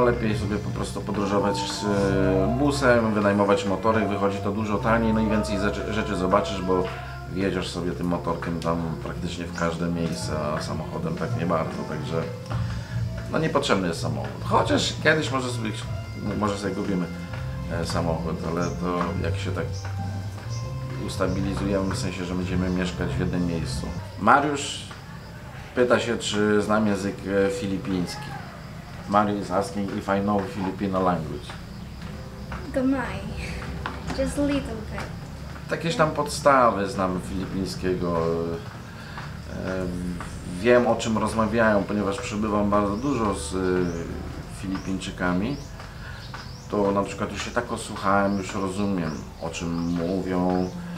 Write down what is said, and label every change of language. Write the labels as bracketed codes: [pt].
[pl] Lepiej sobie po prostu podróżować z busem, wynajmować motorek, wychodzi to dużo taniej, no i więcej rzeczy zobaczysz, bo jedziesz sobie tym motorkiem tam praktycznie w każde miejsce, a samochodem tak nie bardzo, także no niepotrzebny jest samochód. Chociaż kiedyś może sobie kupimy samochód, ale to jak się tak ustabilizujemy, w sensie, że będziemy mieszkać w jednym miejscu. Mariusz pyta się, czy znam język filipiński. [en] Mario is asking if I know Filipino language. [ceb] Gamay. [en] Just a little bit. [pl] Takieś tam podstawy znam filipińskiego. Wiem, o czym rozmawiają, ponieważ przebywam bardzo dużo z Filipińczykami. To na przykład już się tak osłuchałem, już rozumiem, o czym mówią.